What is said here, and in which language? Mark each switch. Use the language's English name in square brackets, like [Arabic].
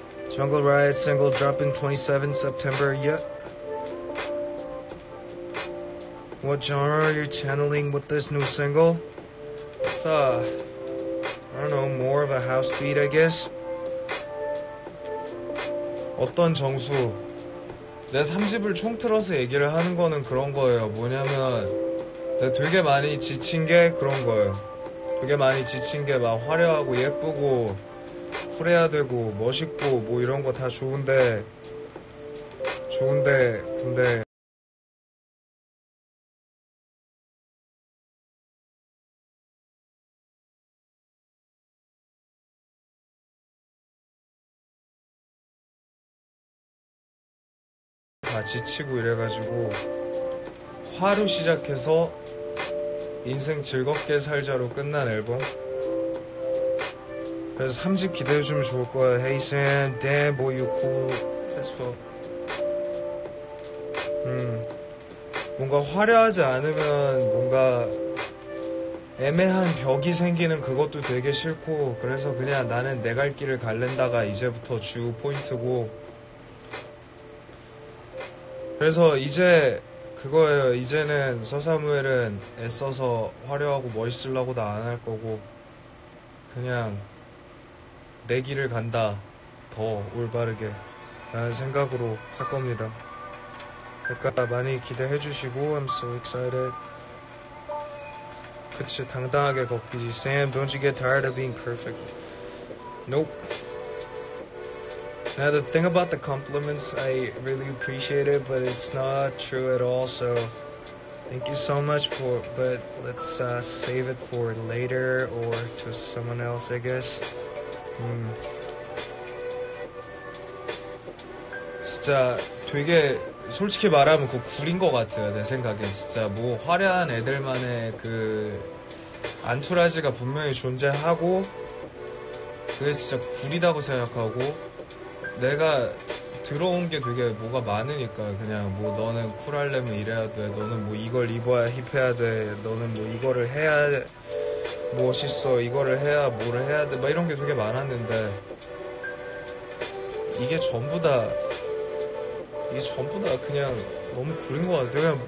[English] Jungle Riot single dropping 27 September, yep. What genre are you channeling with this new single? It's more of a house beat, I guess. [Korean] 어떤 정수? 내 3집을 총 틀어서 얘기를 하는 거는 그런 거예요. 뭐냐면 내가 되게 많이 지친 게 그런 거예요. 되게 많이 지친 게 막 화려하고 예쁘고 쿨해야 되고 멋있고 뭐 이런 거 다 좋은데 근데 지치고 이래가지고 화로 시작해서 인생 즐겁게 살자로 끝난 앨범 그래서 3집 기대해주면 좋을 거야. [English] Hey Sam, damn boy you cool as fuck. [Korean] 뭔가 화려하지 않으면 뭔가 애매한 벽이 생기는 그것도 되게 싫고, 그래서 그냥 나는 내 갈 길을 갈랜다가 이제부터 주 포인트고. 그래서 이제 그거예요. 이제는 서사무엘은 애써서 화려하고 멋있으려고도 안 할 거고, 그냥 내 길을 간다, 더 올바르게 라는 생각으로 할 겁니다. 그러니까 많이 기대해 주시고, [English] I'm so excited. [Korean] 그치, 당당하게 걷기지. [English] Sam, don't you get tired of being perfect? Nope. Now the thing about the compliments, I really appreciate it, but it's not true at all, so thank you so much for, but let's save it for later or to someone else, I guess. [Korean] 진짜 되게 솔직히 말하면 그 굴인 것 같아요, 내 생각에. 진짜 뭐 화려한 애들만의 그 안투라지가 분명히 존재하고, 그게 진짜 굴이다고 생각하고, 내가 들어온 게 되게 뭐가 많으니까, 그냥 뭐 너는 쿨하려면 이래야 돼, 너는 뭐 이걸 입어야 힙해야 돼, 너는 뭐 이거를 해야 멋있어, 이거를 해야 뭐를 해야 돼, 막 이런 게 되게 많았는데, 이게 전부 다, 이게 전부 다 그냥 너무 구린 것 같아요.